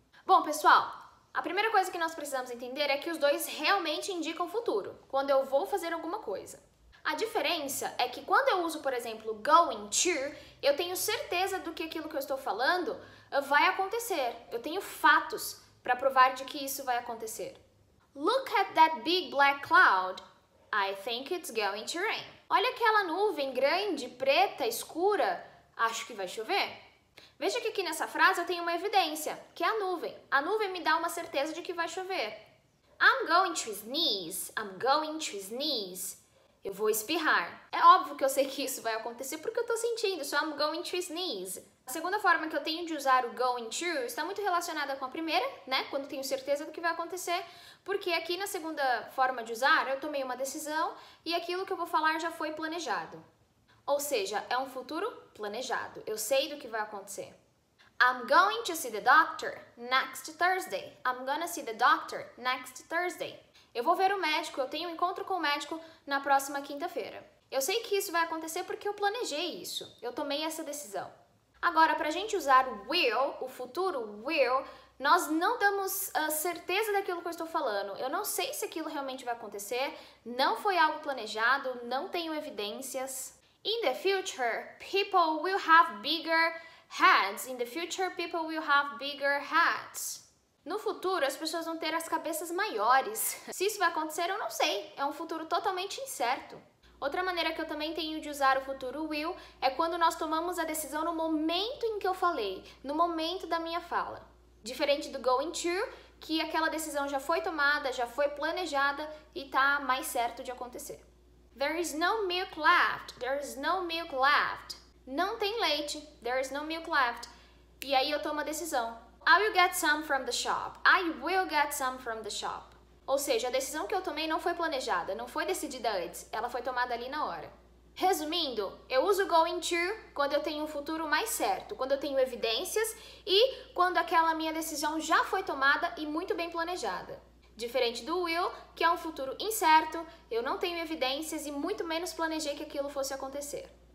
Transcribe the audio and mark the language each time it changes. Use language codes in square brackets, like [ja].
[pt] Bom, pessoal, a primeira coisa que nós precisamos entender é que os dois realmente indicam futuro, quando eu vou fazer alguma coisa. A diferença é que quando eu uso, por exemplo, going to, eu tenho certeza do que aquilo que eu estou falando vai acontecer. Eu tenho fatos para provar de que isso vai acontecer. [en] Look at that big black cloud. I think it's going to rain. [pt] Olha aquela nuvem grande, preta, escura. Acho que vai chover. Veja que aqui nessa frase eu tenho uma evidência, que é a nuvem. A nuvem me dá uma certeza de que vai chover. [en] I'm going to sneeze. I'm going to sneeze. [pt] Eu vou espirrar. É óbvio que eu sei que isso vai acontecer porque eu tô sentindo. [en] So I'm going to sneeze. [pt] A segunda forma que eu tenho de usar o going to está muito relacionada com a primeira, né? Quando tenho certeza do que vai acontecer. Porque aqui na segunda forma de usar, eu tomei uma decisão e aquilo que eu vou falar já foi planejado. Ou seja, é um futuro planejado. Eu sei do que vai acontecer. [en] I'm going to see the doctor next Thursday. I'm gonna see the doctor next Thursday. [pt] Eu vou ver o médico, eu tenho um encontro com o médico na próxima quinta-feira. Eu sei que isso vai acontecer porque eu planejei isso, eu tomei essa decisão. Agora, para a gente usar will, o futuro will, nós não damos a certeza daquilo que eu estou falando. Eu não sei se aquilo realmente vai acontecer, não foi algo planejado, não tenho evidências. [en] In the future, people will have bigger heads. In the future, people will have bigger heads. [pt] No futuro, as pessoas vão ter as cabeças maiores. Se isso vai acontecer, eu não sei. É um futuro totalmente incerto. Outra maneira que eu também tenho de usar o futuro will é quando nós tomamos a decisão no momento em que eu falei, no momento da minha fala. Diferente do going to, que aquela decisão já foi tomada, já foi planejada e tá mais certo de acontecer. [en] There is no milk left. There is no milk left. [pt] Não tem leite. [en] There is no milk left. [pt] E aí eu tomo a decisão. [en] I will get some from the shop. I will get some from the shop. [pt] Ou seja, a decisão que eu tomei não foi planejada, não foi decidida antes. Ela foi tomada ali na hora. Resumindo, eu uso going to quando eu tenho um futuro mais certo, quando eu tenho evidências e quando aquela minha decisão já foi tomada e muito bem planejada. Diferente do will, que é um futuro incerto, eu não tenho evidências e muito menos planejei que aquilo fosse acontecer.